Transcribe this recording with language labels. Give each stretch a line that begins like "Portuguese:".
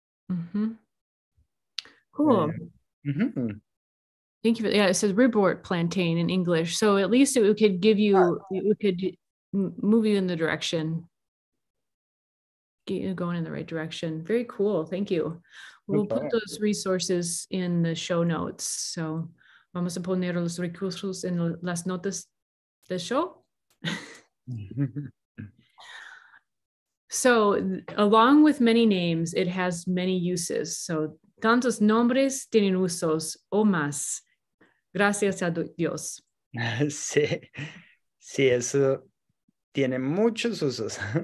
English: Mm-hmm. Cool. Mm-hmm. Thank you. It says ribwort plantain in English. So at least it could give you, it could move you in the direction, get you going in the right direction. Very cool. Thank you. We'll put those resources in the show notes.
Spanish: So vamos a poner los recursos en las notas del show.
English: So along with many names, it has many uses.
Spanish: So tantos nombres tienen usos o más. Gracias a Dios. Sí, sí, eso tiene muchos usos.